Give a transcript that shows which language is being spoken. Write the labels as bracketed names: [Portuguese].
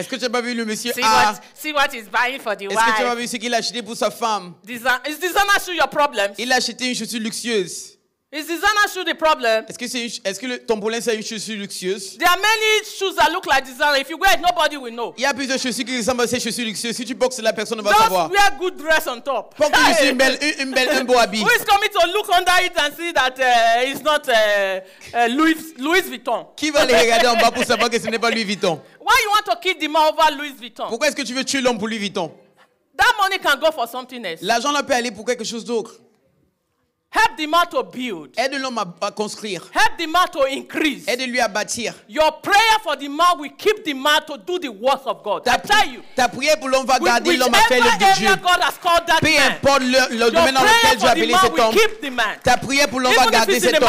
[French] Est-ce que tu as pas vu le monsieur [English] see A? See what he's buying for the [French] est-ce [English] wife. [French] Est-ce que tu as pas vu ce qu'il a acheté pour sa femme? [English] Is designer shoe your problem? [French] Il a acheté une chaussure luxueuse. [English] Is designer shoe the problem? [French] Est-ce que ton problème c'est une chaussure luxueuse? [English] There are many shoes that look like designer. If you wear it, nobody will know. [French] Il y a plusieurs chaussures qui ressemblent à ces chaussures luxueuses. Si tu portes cela, personne ne va savoir. [English] Just wear good dress on top. [French] Porte juste un beau habit. [English] Who is coming to look under it and see that it's not Louis Vuitton? [French] Qui va les regarder en bas pour savoir que ce n'est pas Louis Vuitton? [English] Why you want to kill the man over Louis Vuitton? [French] Pourquoi est-ce que tu veux tuer l'homme pour Louis Vuitton? [English] That money can go for something else. [French] L'argent là peut aller pour quelque chose d'autre. [English] Help the man to build. [French] Aide l'homme à construire. [English] Help the man to increase. [French] Aide lui à bâtir. [English] Your prayer for the man will keep the man to do the work of God. I tell you. [French] Ta prière pour l'homme va garder l'homme à faire le Dieu. [English] Whichever area God has called that man. [French] Peu importe le domaine dans lequel Dieu a appelé cet homme. [English] Keep the man. [French] Ta prière pour l'homme va garder cet homme.